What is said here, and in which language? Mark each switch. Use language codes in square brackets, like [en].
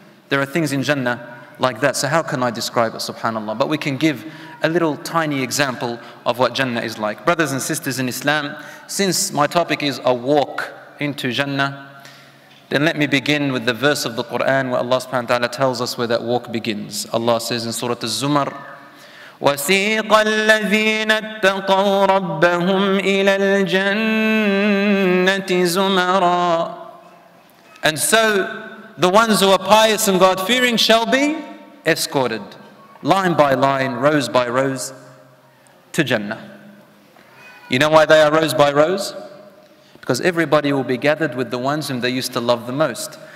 [en] There are things in Jannah like that. So how can I describe it, subhanAllah? But we can give a little tiny example of what Jannah is like. Brothers and sisters in Islam, since my topic is a walk into Jannah, then let me begin with the verse of the Quran where Allah subhanahu wa ta'ala tells us where that walk begins. Allah says in Surah Az-Zumar, [ar] وَسِيقَ الَّذِينَ اتَّقَوْا رَبَّهُمْ إِلَى الْجَنَّةِ زُمَرًا. [en] And so the ones who are pious and God-fearing shall be escorted, line by line, rows by rows, to Jannah. You know why they are rows by rows? Because everybody will be gathered with the ones whom they used to love the most.